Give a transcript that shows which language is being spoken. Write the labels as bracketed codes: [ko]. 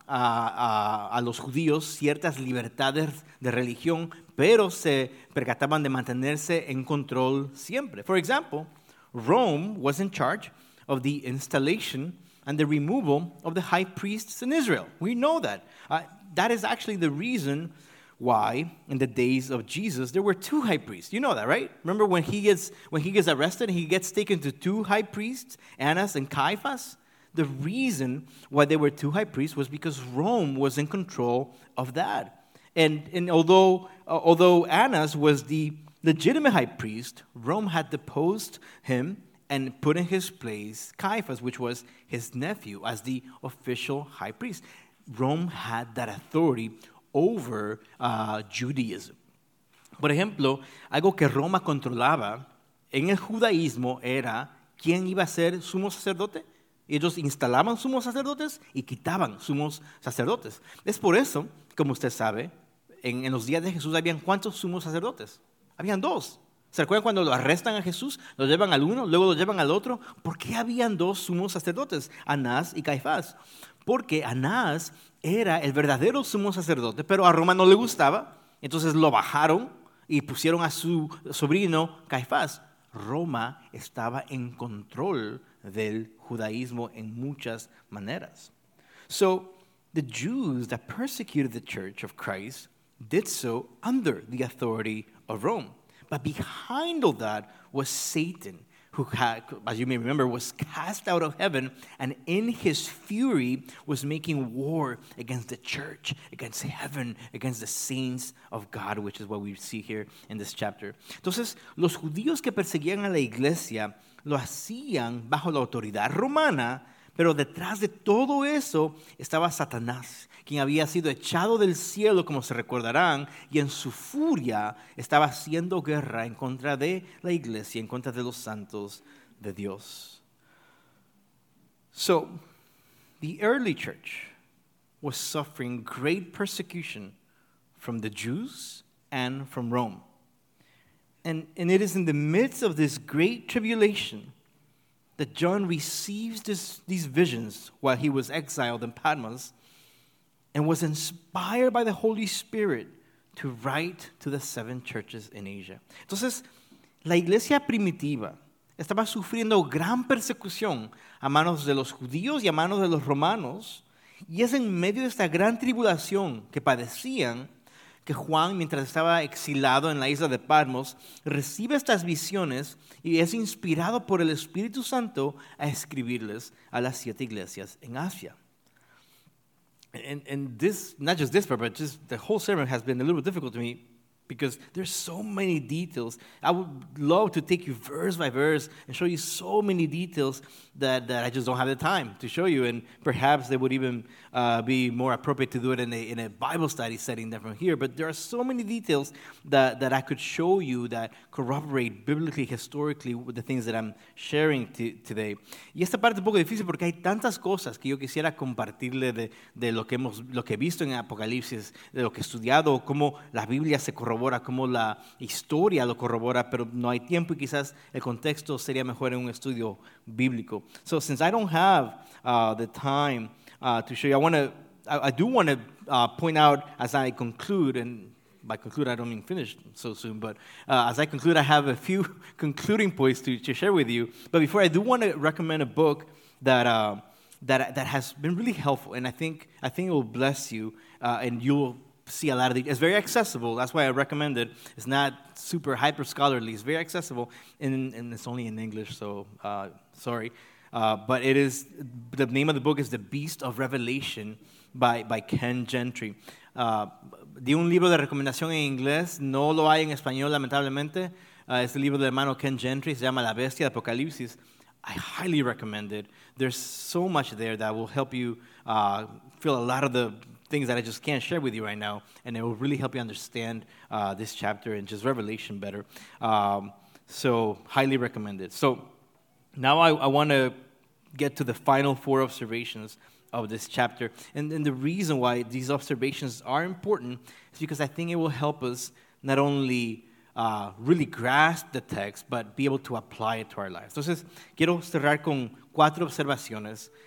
[es] a los judíos ciertas libertades de religión, pero se percataban de mantenerse en control siempre. [en] For example, Rome was in charge of the installation and the removal of the high priests in Israel. We know that. That is actually the reason why in the days of Jesus there were two high priests. You know that, right? Remember when he gets arrested and he gets taken to two high priests, Annas and Caiaphas? The reason why there were two high priests was because Rome was in control of that. And although Annas was the legitimate high priest, Rome had deposed him and put in his place Caiaphas, which was his nephew, as the official high priest. Rome had that authority over Judaism. [es] Por ejemplo, algo que Roma controlaba en el judaísmo era quién iba a ser sumo sacerdote. Ellos instalaban sumos sacerdotes y quitaban sumos sacerdotes. Es por eso, como usted sabe, en los días de Jesús habían ¿cuántos sumos sacerdotes? Habían dos. ¿Se acuerdan cuando lo arrestan a Jesús? Lo llevan al uno, luego lo llevan al otro. ¿Por qué habían dos sumos sacerdotes? Anás y Caifás. Porque Anás era el verdadero sumo sacerdote, pero a Roma no le gustaba. Entonces lo bajaron y pusieron a su sobrino Caifás. Roma estaba en control del judaísmo en muchas maneras. [en] So, the Jews that persecuted the Church of Christ did so under the authority of Rome. But behind all that was Satan, who had, as you may remember, was cast out of heaven and in his fury was making war against the church, against heaven, against the saints of God, which is what we see here in this chapter. [es] Entonces, los judíos que perseguían a la iglesia lo hacían bajo la autoridad romana, pero detrás de todo eso estaba Satanás, quien había sido echado del cielo, como se recordarán, y en su furia estaba haciendo guerra en contra de la iglesia, en contra de los santos de Dios. [en] So, the early church was suffering great persecution from the Jews and from Rome. And it is in the midst of this great tribulation that John receives these visions while he was exiled in Patmos and was inspired by the Holy Spirit to write to the seven churches in Asia. [es] Entonces, la iglesia primitiva estaba sufriendo gran persecución a manos de los judíos y a manos de los romanos, y es en medio de esta gran tribulación que padecían que Juan, mientras estaba exilado en la isla de Patmos, recibe estas visiones y es inspirado por el Espíritu Santo a escribirles a las siete iglesias en Asia. [en] And this, not just this part, but just the whole sermon has been a little bit difficult to me because there's so many details. I would love to take you verse by verse and show you so many details that I just don't have the time to show you. And perhaps they would even be more appropriate to do it in a Bible study setting than from here. But there are so many details that I could show you that corroborate biblically, historically, with the things that I'm sharing today. [es] Y esta parte es un poco difícil porque hay tantas cosas que yo quisiera compartirle de lo que he visto en Apocalipsis, de lo que he estudiado, cómo la Biblia se corrobora, cómo la historia lo corrobora, pero no hay tiempo y quizás el contexto sería mejor en un estudio bíblico. [en] So since I don't have the time to show you, I do want to point out as I conclude, and by conclude I don't mean finish so soon, but as I conclude I have a few concluding points to share with you. But before, I do want to recommend a book that has been really helpful, and I think it will bless you, and you'll see a lot of it. It's very accessible. That's why I recommend it. It's not super hyper scholarly. It's very accessible, and it's only in English. So sorry, but it is. The name of the book is The Beast of Revelation by Ken Gentry. [es] De un libro de recomendación en inglés, no lo hay en español, lamentablemente. Es el libro del hermano Ken Gentry. Se llama La Bestia de Apocalipsis. [en] I highly recommend it. There's so much there that will help you feel a lot of the things that I just can't share with you right now, and it will really help you understand this chapter and just Revelation better. So highly recommend it. So now I want to get to the final four observations of this chapter, and the reason why these observations are important is because I think it will help us not only really grasp the text, but be able to apply it to our lives. [es] Entonces, quiero cerrar con cuatro observaciones